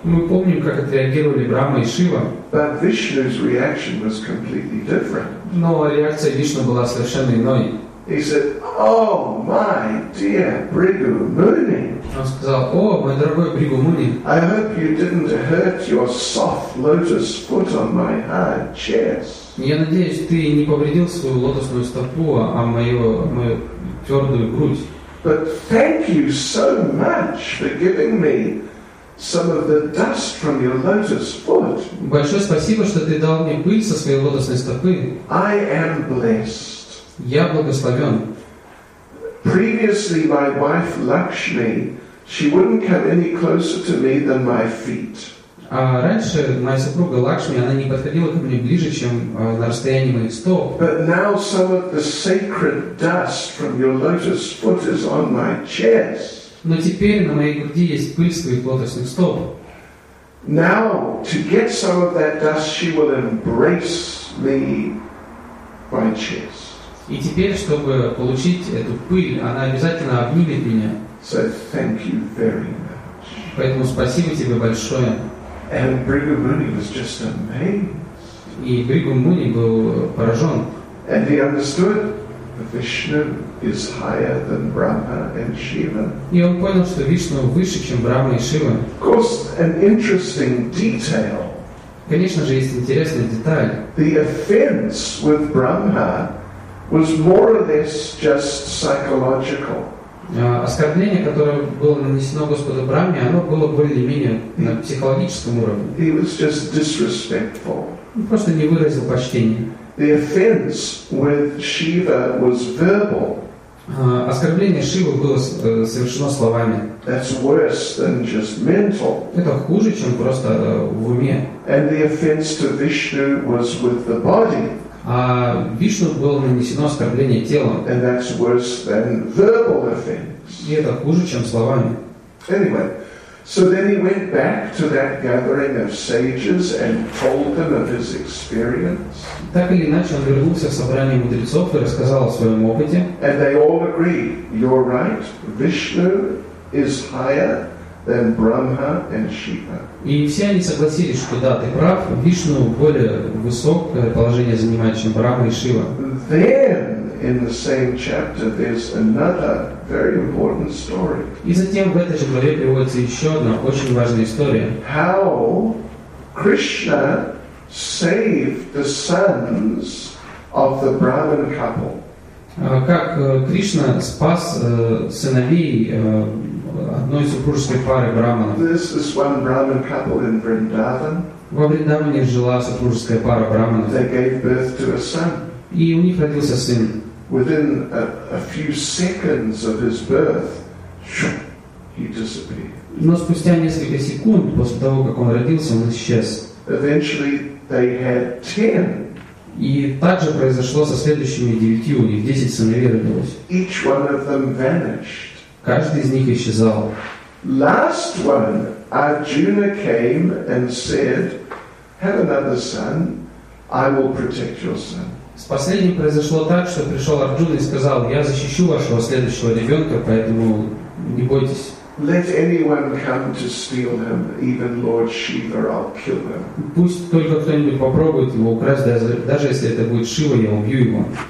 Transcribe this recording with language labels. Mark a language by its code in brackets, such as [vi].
[ru] Мы помним, как отреагировали Брахма и Шива. [en] But Vishnu's reaction was completely different. [ru] Но реакция Вишны была совершенно иной. [en] He said, "Oh my dear Бригу Муни." [ru] Он сказал: "О, мой дорогой Бригу Муни." [en] I hope you didn't hurt your soft lotus foot on my hard chest. [ru] Я надеюсь, ты не повредил свою лотосную стопу, а мою твердую грудь. [en] But thank you so much for giving me some of the dust from your lotus foot. [ru] Большое спасибо, что ты дал мне пыль со своей лотосной стопы. [en] I am blessed. [ru] Я благословен. [en] Previously, my wife Lakshmi, she wouldn't come any closer to me than my feet. [ru] А раньше моя супруга Лакшми, она не подходила ко мне ближе, чем на расстоянии моих стоп. [en] But now some of the sacred dust from your lotus foot is on my chest. [ru] Но теперь на моей груди есть пыль с твоих лотосных стоп. [en] Now to get some of that dust, she will embrace me by chest. [ru] И теперь, чтобы получить эту пыль, она обязательно обнимет меня. [en] So thank you very much. [ru] Поэтому спасибо тебе большое. [en] And Bhrigu Muni was just amazed. [ru] И Бригу Муни был поражен. [en] And he understood that Vishnu is higher than Brahma and Shiva. [ru] И он понял, что Вишну выше, чем Брахма и Шива. [en] Of course, an interesting detail. [ru] Конечно же, есть интересная деталь. [en] The offense with Brahma was more or less just psychological. [ru] Оскорбление, которое было нанесено Господу Брахме, оно было более-менее на психологическом уровне. [en] He was just disrespectful. [ru] Он просто не выразил почтения. [en] The offense with Shiva was verbal. [ru] Оскорбление Шивы было совершено словами. [en] That's worse than just mental. [ru] Это хуже, чем просто в уме. [en] And the offense to Vishnu was with the body. [ru] А Вишну было нанесено оскорбление телом. [en] And that's worse than verbal offense. [ru] И это хуже, чем словами. [en] Anyway, so then he went back to that gathering of sages and told them of his experience. [ru] Так или иначе, он вернулся в собрание мудрецов и рассказал о своем опыте. [en] And they all agreed, you're right, Vishnu is higher than Brahma and Shiva. [ru] И все они согласились, что да, ты прав, Вишну более высокое положение занимает, чем Брахма и Шива. [en] Then in the same chapter there's another very important story. [ru] И затем в этой же главе приводится еще одна очень важная история. [en] How Krishna saved the sons of the Brahman couple. [ru] Как Кришна спас сыновей одной супружеской пары брахманов. [en] This is one Brahman couple in Vrindavan. [ru] Во Вриндаване жила супружеская пара брахманов. [en] They gave birth to a son. [ru] И у них родился сын. [en] Within a few seconds of his birth, he disappeared. [ru] Но спустя несколько секунд после того, как он родился, он исчез. [en] Eventually, they had 10. [ru] И так же произошло со следующими 9, у них 10 сыновей родилось. [en] Each one of them vanished. [ru] Каждый из них исчезал. [en] Last one, Arjuna came and said, "Have another son. I will protect your son." [ru] С последним произошло так, что пришел Арджуна и сказал: "Я защищу вашего следующего ребенка, поэтому не бойтесь." [en] Let anyone come to steal him, even Lord Shiva, I'll kill him. [ru] Пусть только кто-нибудь попробует его украсть, даже если это будет Шива, я убью его.